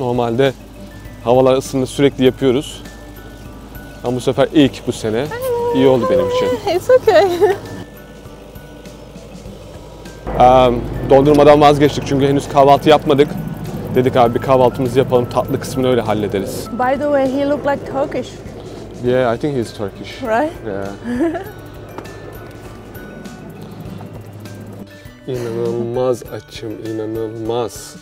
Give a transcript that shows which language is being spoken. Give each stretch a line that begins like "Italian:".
Turkish: Normalde havalar ısındı, sürekli yapıyoruz. Ama bu sefer ilk bu sene. İyi oldu benim için.
English: It's okay.
Turkish: Dondurmadan vazgeçtik çünkü henüz kahvaltı yapmadık. Dedik abi bir kahvaltımızı yapalım, tatlı kısmını öyle hallederiz.
English: By the way, he looked like Turkish. Yeah, I think he's Turkish. Right? Yeah.
Turkish: İnanılmaz açım, inanılmaz.